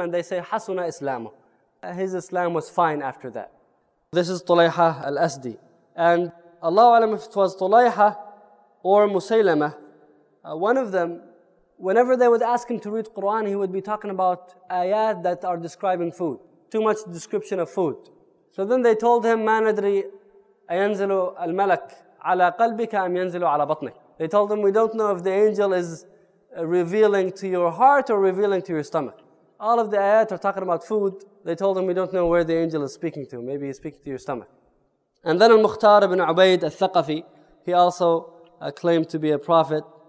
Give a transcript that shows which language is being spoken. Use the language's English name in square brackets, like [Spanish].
[English] And they say, [Arabic] Hasuna Islamu. [English] His Islam was fine after that. This is Tulayha Al-Asdi. And Allahu A'lam if it was Tulayha or Musaylimah, one of them, whenever they would ask him to read Quran, he would be talking about ayat that are describing food. Too much description of food. So then they told him, [Arabic] ما ندري أينزل الملك على قلبك أم ينزل على بطنك. [English] They told him, we don't know if the angel is revealing to your heart or revealing to your stomach. All of the ayat are talking about food. They told him, we don't know where the angel is speaking to. Maybe he's speaking to your stomach. And then Al-Mukhtar ibn Ubayd al-Thaqafi, he also claimed to be a prophet.